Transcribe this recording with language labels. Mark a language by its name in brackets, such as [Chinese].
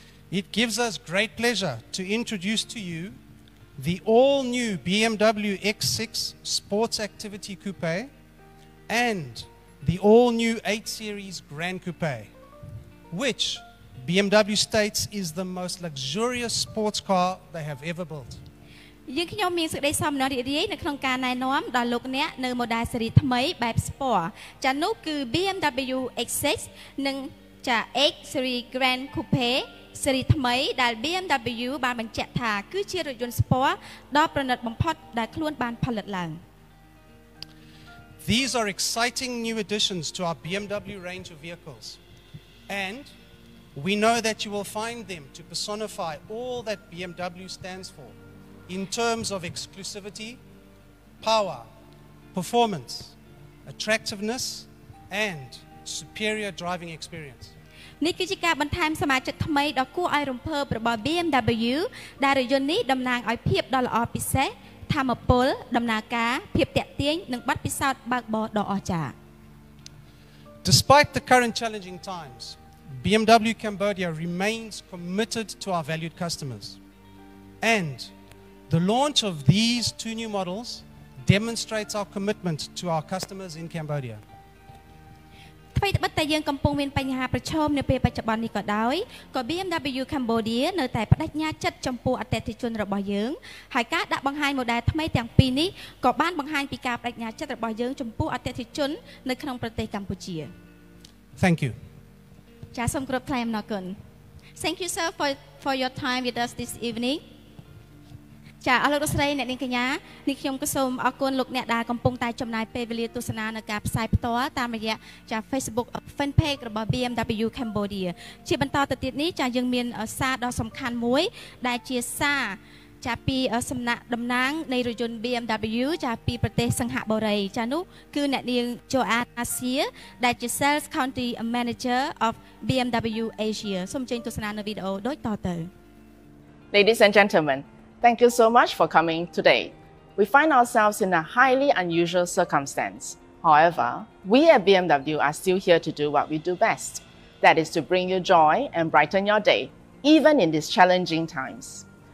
[English] It gives us great pleasure to introduce to you the all-new BMW X6 Sports Activity Coupe and the all-new 8 Series Grand Coupe, which BMW states is the most luxurious sports car they have ever built. [Khmer] យើង ខ្ញុំ មាន សេចក្តី សោមនស្ស រីករាយ នៅ ក្នុង ការ ណែ នាំ ដល់ លោក អ្នក នៅ ម៉ូដែល សេរី ថ្មី បែប Sport ចា នោះ គឺ BMW X6 និង ចា 8 Series Grand Coupe សេរីថ្មី ដែល BMW បាន បញ្ជាក់ ថា គឺ ជា រថយន្ត Sport ដ៏ ប្រណិត បំផុត ដែល ខ្លួន បាន ផលិត ឡើង [English] These are exciting new additions to our BMW range of vehicles, and we know that you will find them to personify all that BMW stands for in terms of exclusivity, power, performance, attractiveness, and superior driving experience. [Khmer] នេះគឺជាការបន្ថែមសមាជិកថ្មីដល់គួរឲ្យរំភើបរបស់ BMW ដែលរថយន្តនេះតំណាងឲ្យភាពដ៏ល្អពិសេសធម្មពលដំណើរការភាពតាក់ទាញនិងបទពិសោធន៍បើកបរដ៏អស្ចារ្យ [English] Despite the current challenging times, BMW Cambodia remains committed to our valued customers. And the launch of these two new models demonstrates our commitment to our customers in Cambodia. [Khmer] ថ្មីបត់តែយើងកំពុងមានបញ្ហាប្រឈមនៅពេលបច្ចុប្បន្ននេះក៏ដោយក៏ BMW Cambodia នៅតែបដិញ្ញាចិត្តចំពោះអតិថិជនរបស់យើងហើយការដាក់បង្ហាញម៉ូដែលថ្មីទាំងពីរនេះក៏បានបង្ហាញពីការបដិញ្ញាចិត្តរបស់យើងចំពោះអតិថិជននៅក្នុងប្រទេសកម្ពុជា [English] Thank you [Khmer] ចាសសូមគោរពថ្លែងអំណរគុណ [English] Thank you sir for your time with us this evening [Khmer] ចាសអរលោកស្រីអ្នកនាងកញ្ញានេះខ្ញុំក៏សូមអរគុណលោកអ្នកដែលកំពុងតែចំណាយពេលវេលាទស្សនានៅការផ្សាយផ្ទាល់តាមរយៈចាស Facebook Fanpage របស់ BMW Cambodia ជាបន្តទៅទៀតនេះចាសយើងមានសារដ៏សំខាន់មួយដែលជាសារ ចាសពីសំណាក់តំណាងនៃរយន្ត BMW ចាសពីប្រទេសសង្ហបុរីចាសនោះគឺអ្នកនាងជូអាអាស៊ីដែលជា [English] Sales County Manager of BMW Asia [Khmer] សូមចេញទស្សនានៅវីដេអូដូចតទៅ [English] Ladies and gentlemenThank you so much for coming today. We find ourselves in a highly unusual circumstance. However, we at BMW are still here to do what we do best. That is to bring you joy and brighten your day, even in these challenging times.